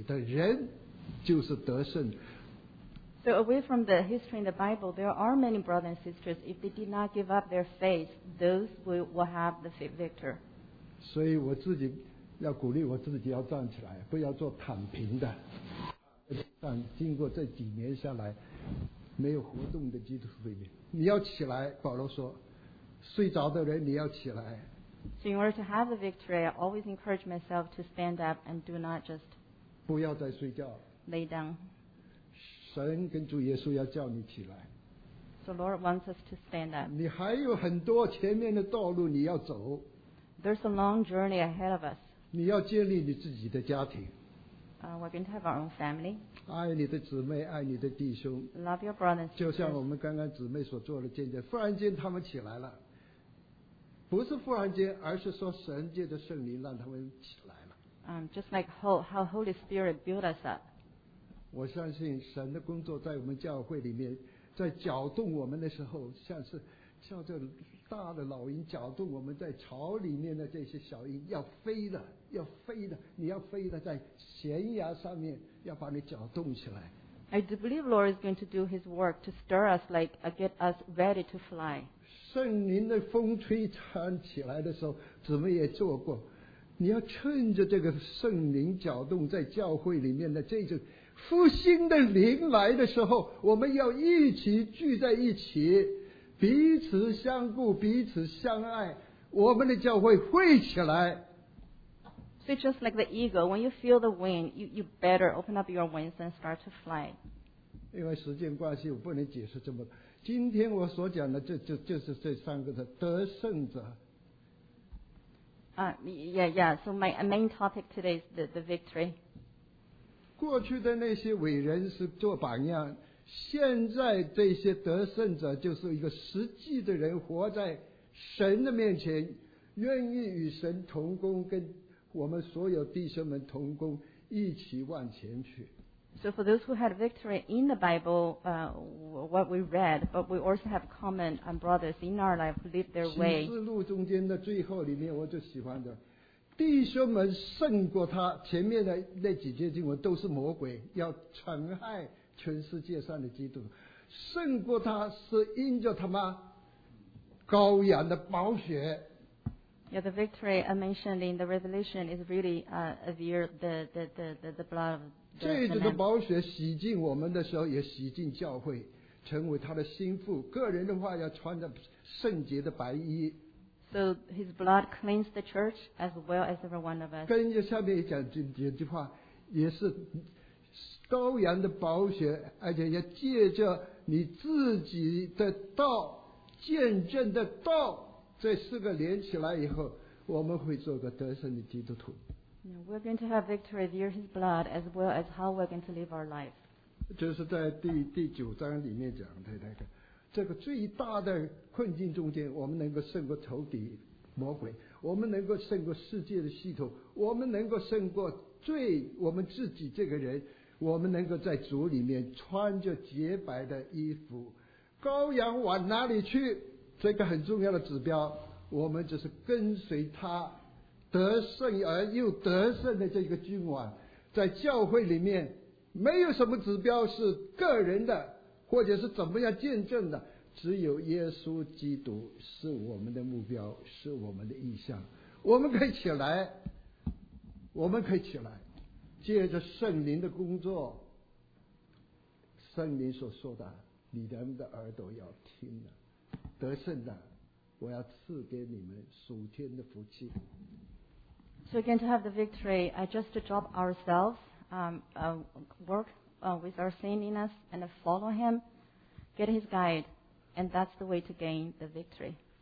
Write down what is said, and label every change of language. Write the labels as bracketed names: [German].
[Chinese] 所以他说现在的得胜者都是这些平凡的，但是在主的经历中间，他们站立得住。所以江否道弟兄会讲，就是这些平凡的基督徒，他们借着他们所信的，他们不放弃，跟随着主耶稣一直到底的人，就是得胜。 [English] So away from the history in the Bible, there are many brothers and sisters. If they did not give up their faith, those will have the victory. [Chinese] 所以我自己要鼓励我自己要站起来，不要做躺平的。但经过这几年下来，没有活动的基督徒里面，你要起来，保罗说，睡着的人你要起来。 [English] So in order to have the victory, I always encourage myself to stand up and do not just [Chinese] 不要再睡觉。 [English] Lay down. [Chinese] 神跟主耶稣要叫你起来。 [English] So Lord wants us to stand up. [Chinese] 你还有很多前面的道路你要走。 [English] There's a long journey ahead of us. [Chinese] 你要建立你自己的家庭。 [English] We're going to have our own family. [Chinese] 爱你的姊妹，爱你的弟兄。 [English] Love your brothers and sisters. [Chinese] 就像我们刚刚姊妹所做的见证，忽然间他们起来了。不是忽然间，而是说神借着圣灵让他们起来了。 [English] Just like how Holy Spirit built us up. [Chinese] 我相信神的工作在我们教会里面，在搅动我们的时候，像是像这大的老鹰搅动我们在巢里面的这些小鹰，要飞的，要飞的，你要飞的，在悬崖上面要把你搅动起来。 [English] I do believe Lord is going to do His work to stir us, like get us ready to fly. [Chinese] 圣灵的风吹弹起来的时候，姊妹也做过。你要趁着这个圣灵搅动在教会里面的这种复兴的灵来的时候，我们要一起聚在一起，彼此相顾，彼此相爱，我们的教会会起来。 [English] So just like the eagle, when you feel the wind, you better open up your wings and start to fly. [Chinese] 因为时间关系，我不能解释这么多。今天我所讲的就是这三个字：得胜者。 [English] So my main topic today is the victory. [Chinese] 过去的那些伟人是做榜样，现在这些得胜者就是一个实际的人，活在神的面前，愿意与神同工，跟我们所有弟兄们同工，一起往前去。 [English] So for those who had victory in the Bible, what we read, but we also have common brothers in our life who lived their way. [Chinese] 启示录中间的最后里面，我就喜欢的，弟兄们胜过他。前面的那几节经文都是魔鬼要残害全世界上的基督，胜过他是因着他妈羔羊的宝血。 [English] Yeah, the victory I mentioned in the Revelation is really the blood of the Lamb. [Chinese] 这一次的宝血洗净我们的时候，也洗净教会，成为他的心腹。个人的话要穿着圣洁的白衣。 [English] So his blood cleans the church as well as every one of us. [Chinese] 跟着下面讲这句话，也是羔羊的宝血，而且要借着你自己的道，见证的道。这四个连起来以后，我们会做个得胜的基督徒。 [English] We're going to have victory via His blood, as well as how we're going to live our life. [Chinese] 就是在第九章里面讲的那个，这个最大的困境中间，我们能够胜过仇敌魔鬼，我们能够胜过世界的系统，我们能够胜过罪，我们自己这个人，我们能够在主里面穿着洁白的衣服。羔羊往哪里去？这个很重要的指标，我们就是跟随他得胜而又得胜的这个君王。在教会里面没有什么指标是个人的或者是怎么样见证的，只有耶稣基督是我们的目标，是我们的意向。我们可以起来，我们可以起来，借着圣灵的工作，圣灵所说的，你人的耳朵要听的，得胜的，我要赐给你们属天的福气。 [English] So again, to have the victory, just to drop ourselves, work with our sin in us, and follow Him, get His guide, and that's the way to gain the victory.